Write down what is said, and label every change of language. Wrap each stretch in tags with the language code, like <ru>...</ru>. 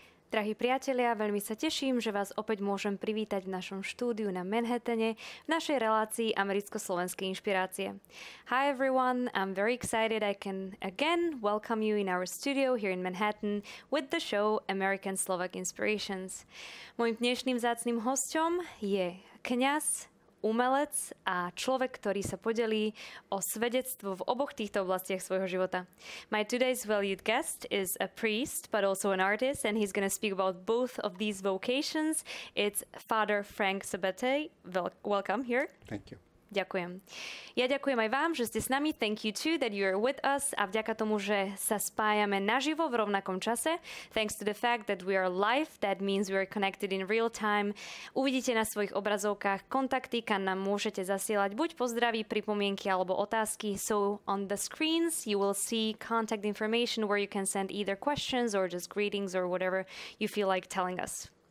<sk>Drahí priatelia, veľmi sa teším, že vás opäť môžem privítať v našom štúdiu na Manhattane v našej relácii americko-slovenské inšpirácie.</sk> <en>Hi everyone, I'm very excited I can again welcome you in our studio here in Manhattan with the show American Slovak Inspirations.</en> <sk>Mojím dnešným vzácnym hosťom je kňaz, umelec a človek, ktorý sa podelí o svedectvo v oboch týchto oblastiach svojho života.</sk> <en>My today's valued guest is a priest, but also an artist, and he's going to speak about both of these vocations. It's Father Frank Sabete. Welcome here. Thank you.</en> <sk>Ďakujem. Ja ďakujem aj vám, že ste s nami.</sk> <en>Thank you too that you're with us.</en> <sk>A vďaka tomu, že sa spájame naživo v rovnakom čase.</sk> <en>Thanks to the fact that we are live, that means we are connected in real time.</en> <sk>Uvidíte na svojich obrazovkách kontakty, kam nám môžete zasielať buď pozdravy, pripomienky alebo otázky.</sk> <en>So on the screens you will see contact information where you can send either questions or just greetings or whatever you feel like telling us.</en>